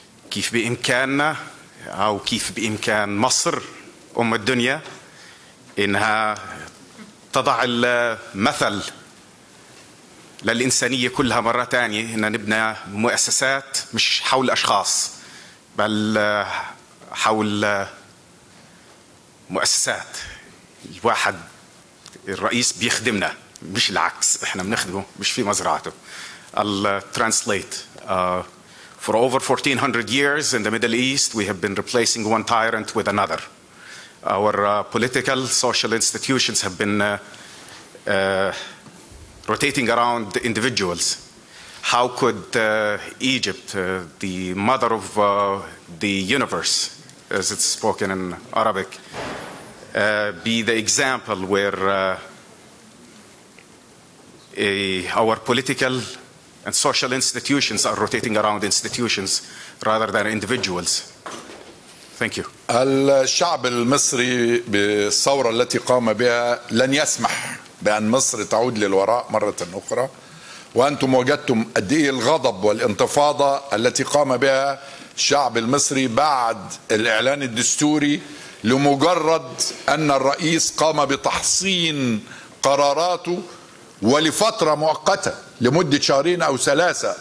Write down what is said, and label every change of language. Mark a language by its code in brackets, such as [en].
[ar] كيف بإمكاننا أو كيف بإمكان مصر أم الدنيا إنها تضع المثل للإنسانية كلها مرة تانية إننا نبني مؤسسات مش حول أشخاص بل حول مؤسسات. الواحد الرئيس بيخدمنا مش العكس، إحنا بنخدمه مش في مزرعته. [en] الترانسليت for over 1400 years in the Middle East we have been replacing one tyrant with another. Our political social institutions have been rotating around individuals. How could Egypt, the mother of the universe, as it's spoken in Arabic, be the example where our political and social institutions are rotating around institutions rather than individuals? Thank you. [ar] الشعب المصري بالثورة التي قام بها لن يسمح بأن مصر تعود للوراء مرة أخرى، وأنتم وجدتم قد إيه الغضب والانتفاضة التي قام بها الشعب المصري بعد الإعلان الدستوري لمجرد أن الرئيس قام بتحصين قراراته ولفترة مؤقتة لمدة شهرين أو ثلاثة.